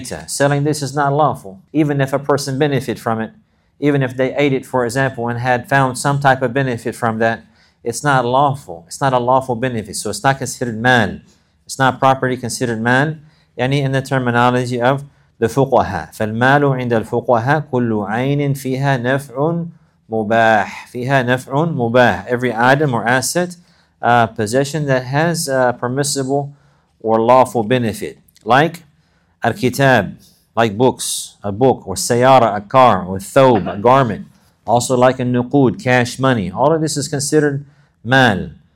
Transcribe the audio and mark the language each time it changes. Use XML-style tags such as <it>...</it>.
<en>Selling this is not lawful, even if a person benefit from it, even if they ate it, for example, and had found some type of benefit from that, it's not lawful. It's not a lawful benefit, so it's not considered man. It's not properly considered man. Any in the terminology of the fuqaha.</en> <ar>فالمال عند الفقهاء كل عين فيها نفع مباح. فيها نفع مباح.</ar> <en>Every item or asset, possession that has a permissible or lawful benefit, like الكتاب, like books, a book, or سيارة, a car, or ثوب, a garment. Also like a نقود, cash money. All of this is considered مال.</en>